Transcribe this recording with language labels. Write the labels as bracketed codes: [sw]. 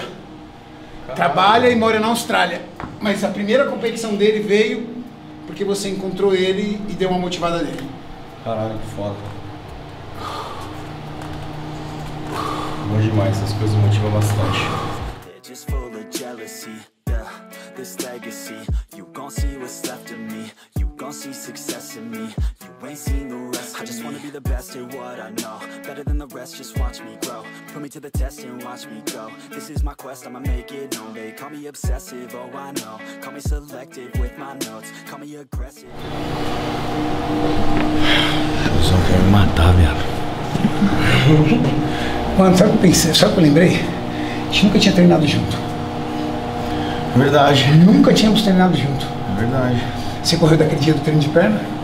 [pt] Caralho. Trabalha e mora na Austrália. Mas a primeira competição dele veio porque você encontrou ele e deu uma motivada nele. Caralho, que foda. Bom demais, essas coisas motivam bastante. [en] Just full of jealousy, this legacy. You gon' see what's left of me. You gon' see success in me. You ain't seen the rest of me. I just wanna be the best at what I know. Better than the rest, just watch me grow. Put me to the test and watch me go. This is my quest, I'ma make it known. They call me obsessive, oh I know. Call me selective with my notes. Call me aggressive. [pt] Eu só quero me matar, viado. Mano, sabe o que eu pensei? Sabe o que eu lembrei? A gente nunca tinha treinado junto. Verdade. Nunca tínhamos treinado junto. Verdade. Você correu daquele dia do treino de perna?